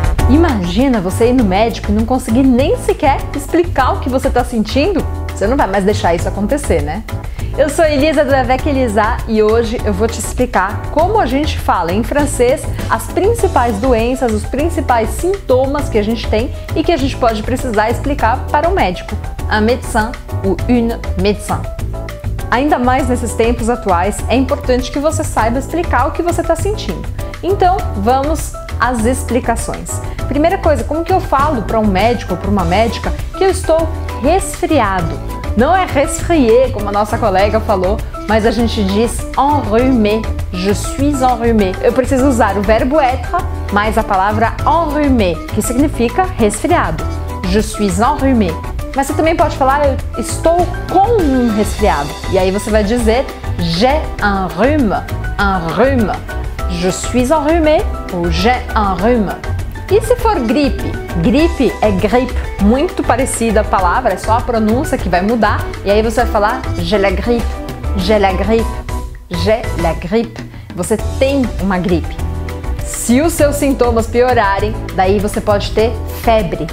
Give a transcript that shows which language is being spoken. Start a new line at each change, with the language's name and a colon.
Portuguese: Imagina você ir no médico e não conseguir nem sequer explicar o que você está sentindo? Você não vai mais deixar isso acontecer, né? Eu sou Elisa do Avec Elisa e hoje eu vou te explicar como a gente fala em francês as principais doenças, os principais sintomas que a gente tem e que a gente pode precisar explicar para um médico.
French: Un médecin ou une médecin.
Portuguese: Ainda mais nesses tempos atuais, é importante que você saiba explicar o que você está sentindo. Então, vamos às explicações. Primeira coisa, como que eu falo para um médico ou para uma médica que eu estou resfriado? Não é resfrié, como a nossa colega falou, mas a gente diz enrhumé.
French: Je suis enrhumé.
Portuguese: Eu preciso usar o verbo être mais a palavra enrhumé, que significa resfriado.
French: Je suis enrhumé.
Portuguese: Mas você também pode falar eu estou com um resfriado. E aí você vai dizer
French: j'ai un rhume. Un rhume. Je suis enrhumé ou j'ai un rhume.
Portuguese: E se for gripe? Gripe é grippe, muito parecida a palavra, é só a pronúncia que vai mudar. E aí você vai falar
French: j'ai la grippe, j'ai la grippe, j'ai la grippe.
Portuguese: Você tem uma gripe. Se os seus sintomas piorarem, daí você pode ter febre.